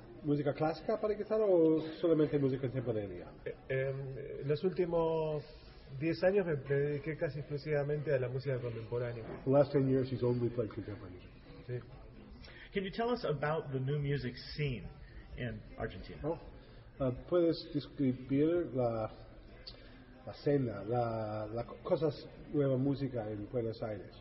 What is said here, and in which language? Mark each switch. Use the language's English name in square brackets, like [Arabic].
[Spanish] ¿Música clásica para guitarra o solamente música contemporánea? En los últimos 10 años me dediqué casi exclusivamente a la música contemporánea. [English] The last 10 years he's only played contemporary. [Spanish] Sí. [English] Can you tell us about the new music scene in Argentina? [Spanish] ¿Puedes describir la escena, las cosas nueva música en Buenos Aires?